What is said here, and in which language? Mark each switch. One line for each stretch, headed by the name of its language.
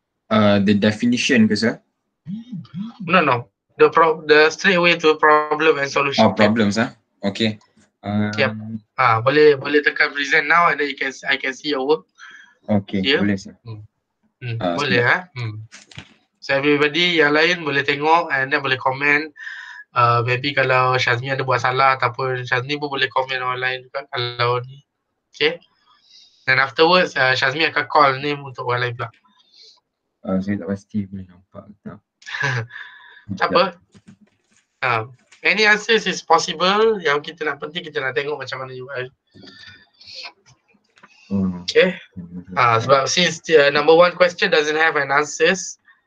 English: The definition ke, sir? No. The straight way to problem and solution. Oh, problems, ah. Okay. Yep.
Malay: Boleh tekan
English: present now and then I can see your work. Okay, here. Boleh, sir.
Malay: Boleh, ah.
English: So everybody
Malay: yang lain boleh tengok
English: and then
Malay: boleh komen. Maybe kalau Shazmi ada buat salah ataupun Shazmi pun boleh komen orang lain juga kalau ni. Okay.
English: Then afterwards
Malay: Shazmi akan
English: call name
Malay: untuk orang lain pula. Saya tak pasti boleh nampak ke tak. Tak apa.
English: Any answers is possible.
Malay: Yang kita nak penting kita nak tengok macam mana
English: you are. Okay.
Malay: Sebab
English: since the number one question doesn't have an answers.